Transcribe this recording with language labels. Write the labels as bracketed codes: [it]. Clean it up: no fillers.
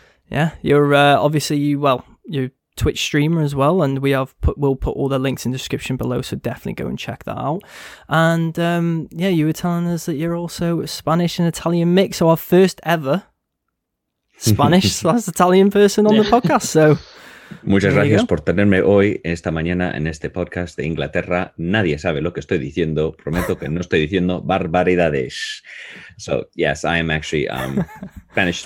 [en] Yeah, you're you're Twitch streamer as well, and we have we'll put all the links in the description below, so definitely go and check that out. And you were telling us that you're also Spanish and Italian mix, so our first ever Spanish slash Italian person on the podcast. So [es] muchas gracias por tenerme hoy esta mañana en este podcast de Inglaterra. Nadie sabe lo que estoy diciendo. Prometo que no estoy diciendo barbaridades. [en] So yes, I am actually Spanish.